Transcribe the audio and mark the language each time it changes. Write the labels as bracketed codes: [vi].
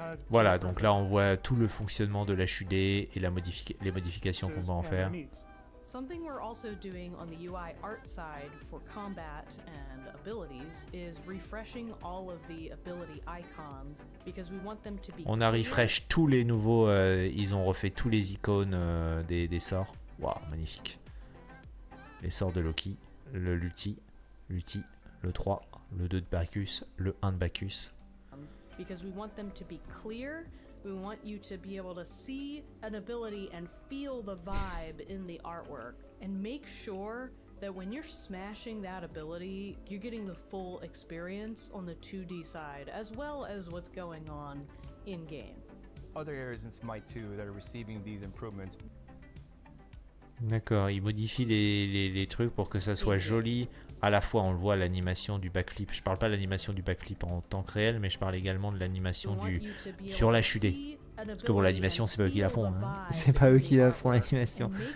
[fr] Voilà, donc là on voit tout le fonctionnement de la HUD et les modifications qu'on va en faire. [en] Something we're also doing on the UI art side for combat and abilities is refreshing all of the ability icons because we want them to be... [fr] On a refresh tous les nouveaux, ils ont refait tous les icônes des sorts. Waouh, magnifique. Les sorts de Loki, le Luti, le 3, le 2 de Bacchus, le 1 de Bacchus. [en] Because we want them to be clear, we want you to be able to see an ability and feel the vibe in the artwork and make sure that when you're smashing that ability, you're getting the full experience on the 2D side as well as what's going on in game. other areas in Smite 2 that are receiving these improvements. [fr] D'accord, il modifie les trucs pour que ça soit joli. À la fois, on le voit, l'animation du backflip. Je parle pas de l'animation du backflip en temps réel, mais je parle également de l'animation du sur la HUD. Parce que bon, l'animation, c'est pas eux qui la font. Hein. C'est pas eux qui la font, l'animation.